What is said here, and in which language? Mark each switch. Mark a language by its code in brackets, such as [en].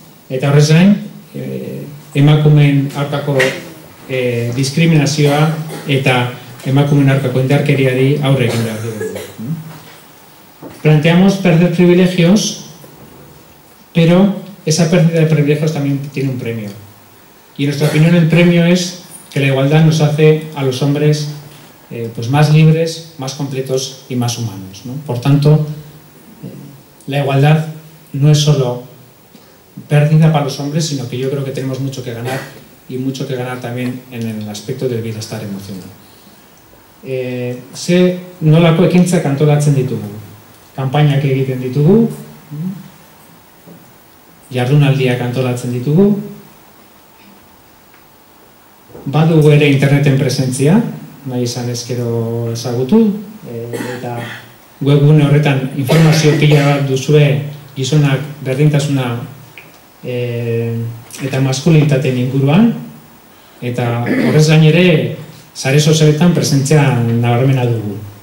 [eu] Eta horrez gain, emakumeen aurkako diskriminazioa eta emakumeen aurkako indarkeriari aurre egin behar dugu. [es] Planteamos perder privilegios, pero esa pérdida de privilegios también tiene un premio. Y en nuestra opinión el premio es que la igualdad nos hace a los hombres pues más libres, más completos y más humanos, ¿no? Por tanto, la igualdad no es solo pérdida para los hombres, sino que yo creo que tenemos mucho que ganar y mucho que ganar también en el aspecto del bienestar emocional. Se no la puede quince cantó la ditugu. [eu] Kampainak egiten ditugu, jardunaldiak antolatzen ditugu, badugu ere interneten presentzia, nahi izan ezkero ezagutu, eta webgune horretan informazio pila bat duzue gizonak berdintasuna eta maskulinitateen inguruan, eta horrez gain ere sare sozialetan presentzia nabarmena dugu.